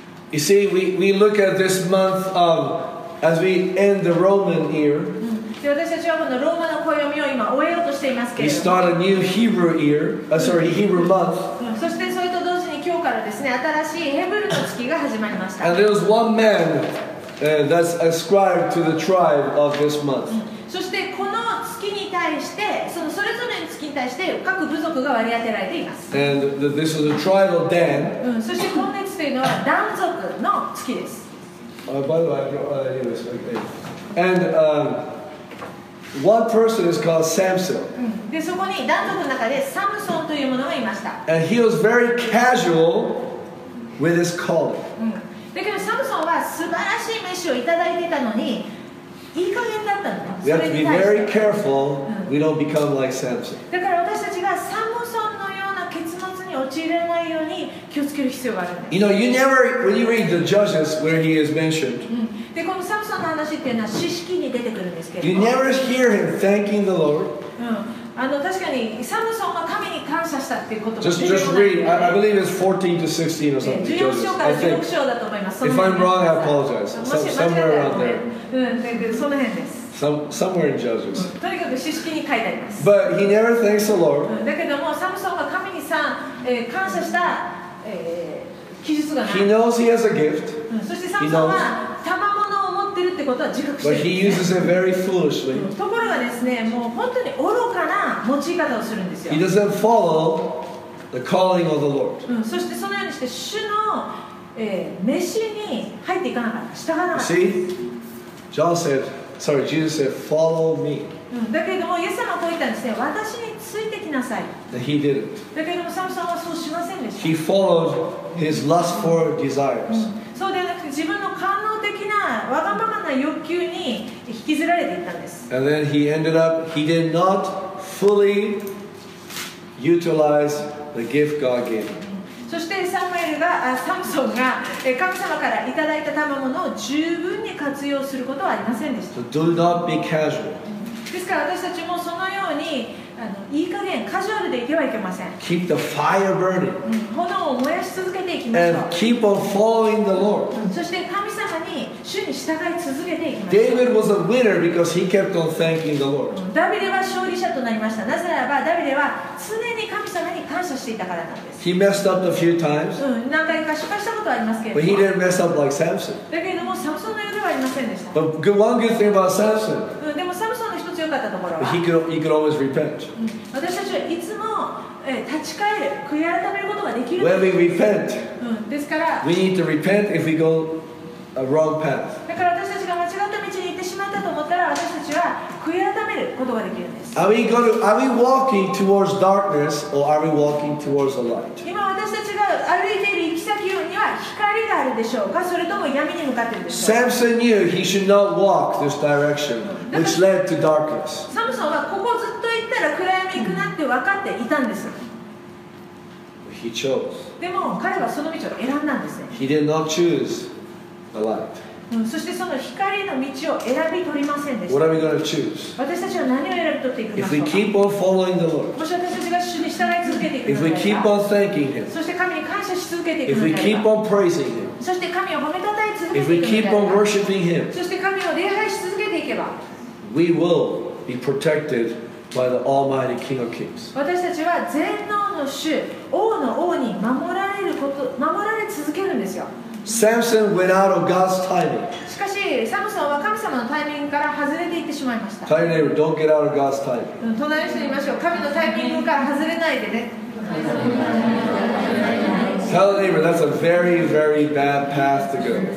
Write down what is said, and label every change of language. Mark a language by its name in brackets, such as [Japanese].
[English] You see, we look at this month of, as we end the Roman year, [Japanese] で私たちはこのローマの暦を今終えようとしていますけれども、 [English] Hebrew month. [Japanese] そしてそれと同時に今日からですね、新しいヘブルの月が始まりました。 [English] And there was one man, that's ascribed to the tribe of this month. [Japanese] そしてこの月に対して、そのそれぞれの月に対して各部族が割り当てられています。 [English] And this was a tribe of Dan. [Japanese] そして今月というのはダン族の月です。 [English] By the way, anyways, okay. And, One person is called Samson. [Japanese] でそこに男族の中でサムソンというものがいました。 [English] And he was very casual with his calling. [Japanese] だけどサムソンは素晴らしい飯をいただいていたのに、いい加減だったの。 [English] We have to be very careful we don't become like Samson. [Japanese] だから私たちがサムソンのような結末に陥れないように気をつける必要があるんです。 [English] You know, you never, when you read the Judges where he is mentioned, [Japanese] でこのサムソンの話っていうのは詩式に出てくるんですけど [English] You never hear him thanking the Lord、 [Japanese] 確かにサムソンが神に感謝したっていうことも [English] just read I believe it's 14 to 16 or something [Japanese] 14章から16章だと思います [English] If I'm wrong, I apologize Somewhere around there [Japanese] その辺です [English] Somewhere in Judges. [Japanese] とにかく詩式に書いてあります [English] But he never thanks the Lord、 [Japanese] だけどもサムソンが神にさ、感謝した、記述がない [English] He knows he has a gift、 [Japanese] そしてサムソンは [English] But he uses it very foolishly. [Japanese] ところがですね、もう本当に愚かな用い方をするんですよ。 [English] He doesn't follow the calling of the Lord. [Japanese] そしてそのようにして主の召しに入っていかなかった、従わなかった。 [English] See, John said, sorry, Jesus said, follow me. [Japanese] だけどもイエス様はこう言ったんですね、私についてきなさい。 [English] And he didn't. [Japanese] だけどもサムソンはそうしませんでした。 [English] He followed his lust for desires. [Japanese] そうではなくて自分の感動わがままな欲求に引きずられていったんです。 [English] And then he ended up, he did not fully utilize the gift God gave him. [Japanese] そしてサムソンが神様からいただいた賜物を十分に活用することはありませんでした。 [English] So do not be casual. [Japanese] ですから私たちもそのようにいい加減カジュアルでいてはいけません。 [English] Keep the fire burning. [Japanese] 炎を燃やし続けていきましょう。 [English] And keep on following the Lord. [Japanese] そして神様に主に従い続けていきます。 [English] David was a winner because he kept on thanking the Lord. [Japanese] ダビデは勝利者となりました。なぜならばダビデは常に神様に感謝していたからなんです。 [English] He messed up a few times. [Japanese] 何回か失敗したことはありますけれども [English] But he didn't mess up like Samson. [Japanese] だけどもサムソンのようではありませんでした。 [English] But one good thing about Samson. [Japanese] でもサムソンの一つ良かったところは。 [English] He could always repent. [Japanese] 私たちはいつも立ち返る、悔い改めることができる。 [English] When we repent. [Japanese] ですから。 [English] We need to repent if we go a wrong path. [Japanese] だから私たち私が間違った道に行ってしまったと思ったら、私たちは悔い改めることができるんです。 [English] are we walking towards darkness or are we walking towards the light? [Japanese] 今私たちが歩いている行き先には光があるでしょうか、それとも闇に向かっているでしょうか。 [English] Samson knew he should not walk this direction which led to darkness. [Japanese] サムソンはここずっと行ったら暗闇行くなって分かっていたんです。 [English] He chose. [Japanese] でも彼はその道を選んだんですね。 [English] He did not choose the light.、 [Japanese] そしてその光の道を選び取りませんでした。 [English] What are we going to choose? [Japanese] 私たちは何を選び取っていくのか。 [English] If we keep on following the Lord. [Japanese] もし私たちが主に従い続けていくのか。 [English] If we keep on thanking Him. [Japanese] そして神に感謝し続けていくのか。 [English] If we keep on praising Him. [Japanese] そして神を褒めたたえ続けていくのか。 [English] If we keep on worshiping Him. [Japanese] そして神を礼拝し続けていけば。 [English] We will be protected by the Almighty King of Kings. [Japanese] 私たちは全能の主、王の王に守られ続けるんですよ。 [English] Samson went out of God's timing. [Japanese] しかし、サムソンは神様のタイミングから外れていってしまいました。 [English] Tell your neighbor, don't get out of God's timing. [Japanese] 隣の人に言いましょう。神のタイミングから外れないでね。 [English] Tell your neighbor, that's a very, very bad path to go.